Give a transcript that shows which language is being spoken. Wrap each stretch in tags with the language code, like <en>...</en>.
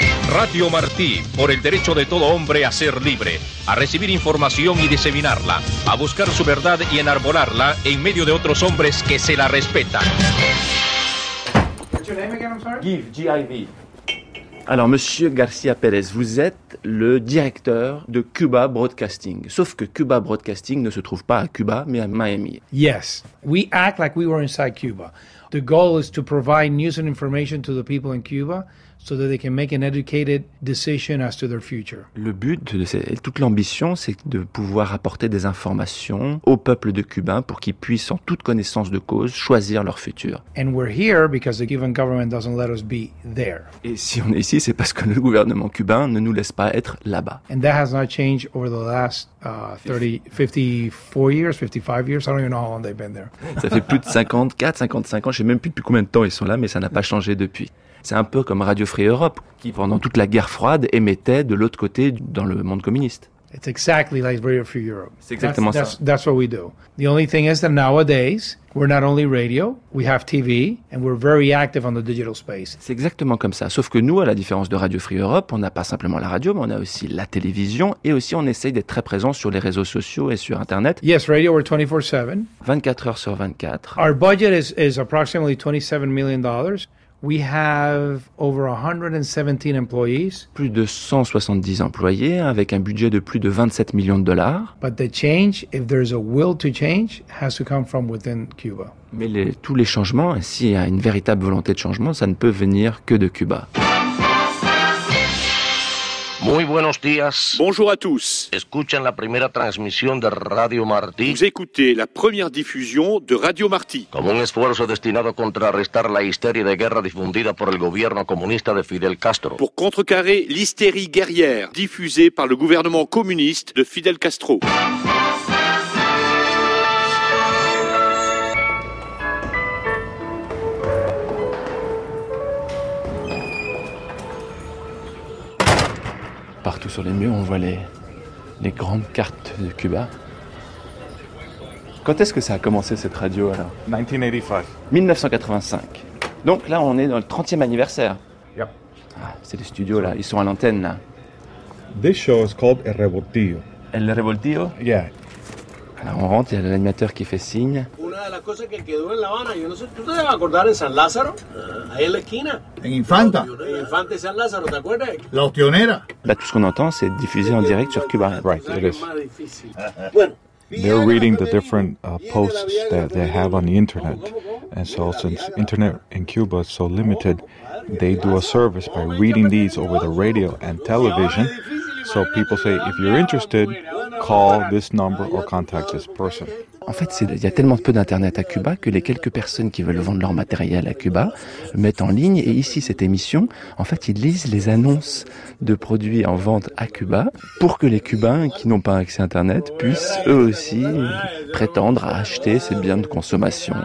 <es>Radio Martí, por el derecho de todo hombre a ser libre, a recibir información y diseminarla, a buscar su verdad y enarbolarla en medio de otros hombres que se la respetan.</es> <en>What's your name again, I'm sorry? Give, G-I-V.</en> <fr>Alors, Monsieur García Pérez, vous êtes le directeur de Cuba Broadcasting. Sauf que Cuba Broadcasting ne se trouve pas à Cuba, mais à Miami.</fr> <en>Yes, we act like we were inside Cuba. The goal is to provide news and information to the people in Cuba so that they can make an educated decision as to their future.</en> <fr>Le but, toute l'ambition, c'est de pouvoir apporter des informations au peuple de Cuba pour qu'ils puissent, en toute connaissance de cause, choisir leur futur.</fr> <en>And we're here because the Cuban government doesn't let us be there.</en> <fr>Et si on est ici, c'est parce que le gouvernement cubain ne nous laisse pas être là-bas.</fr> <en>And that has not changed over the last 55 years, I don't even know how long they've been there.</en> <fr>Ça fait plus de 54, 55 ans, je ne sais même plus depuis combien de temps ils sont là, mais ça n'a pas changé depuis. C'est un peu comme Radio Free Europe, qui pendant toute la guerre froide émettait de l'autre côté dans le monde communiste.</fr> <en>It's exactly like Radio Free Europe.</en> <fr>C'est exactement</fr> <en>ça. That's what we do. The only thing is that nowadays, we're not only radio, we have TV, and we're very active on the digital space.</en> <fr>C'est exactement comme ça. Sauf que nous, à la différence de Radio Free Europe, on n'a pas simplement la radio, mais on a aussi la télévision, et aussi on essaye d'être très présent sur les réseaux sociaux et sur Internet.</fr> <en>Yes, radio, we're 24/7.</en> <fr>24 heures sur 24.</fr> <en>Our budget is approximately $27 million. We have over 117 employees.</en> <fr>Plus de 170 employés avec un budget de plus de 27 millions de dollars.</fr> <en>But the change, if there's a will to change, has to come from within Cuba.</en> <fr>Mais tous les changements, s'il y a une véritable volonté de changement, ça ne peut venir que de Cuba.</fr> <es>Muy buenos días.</es> <fr>Bonjour à tous.</fr> <es>Escuchan la primera transmisión de Radio Martí.</es> <fr>Vous écoutez la première diffusion de Radio Martí.</fr> <es>Como un esfuerzo destinado a contrarrestar la histeria de guerra difundida por el gobierno comunista de Fidel Castro.</es> <fr>Pour contrecarrer l'hystérie guerrière diffusée par le gouvernement communiste de Fidel Castro. Partout sur les murs, on voit les grandes cartes de Cuba. Quand est-ce que ça a commencé, cette radio, alors ? 1985. Donc là, on est dans le 30e anniversaire.</fr> <en>Yep.</en> <fr>Ah, c'est les studios, là. Ils sont à l'antenne, là.</fr> <en>This show is called El Revoltillo.</en> <es>El Revoltillo ?</es> <en>Yeah.</en> <fr>Alors, on rentre, il y a l'animateur qui fait signe.</fr> <es>Una de las cosas que quedó en La Habana, yo no sé, tú te vas a acordar en San Lázaro, ahí en la esquina. En Infanta. En Infante San Lázaro, ¿te acuerdas? La opcionera.</es> <fr>Là, tout ce qu'on entend, c'est diffusé en direct sur Cuba.</fr> <en>Right, it is.</en> <es>Bueno,</es> <en>They're reading the different posts that they have on the internet. And so since internet in Cuba is so limited, they do a service by reading these over the radio and television. So people say, if you're interested, call this number or contact this person.</en> <fr>En fait, il y a tellement peu d'internet à Cuba que les quelques personnes qui veulent vendre leur matériel à Cuba mettent en ligne, et ici, cette émission, en fait, ils lisent les annonces de produits en vente à Cuba pour que les Cubains qui n'ont pas accès à internet puissent eux aussi prétendre à acheter ces biens de consommation.</fr>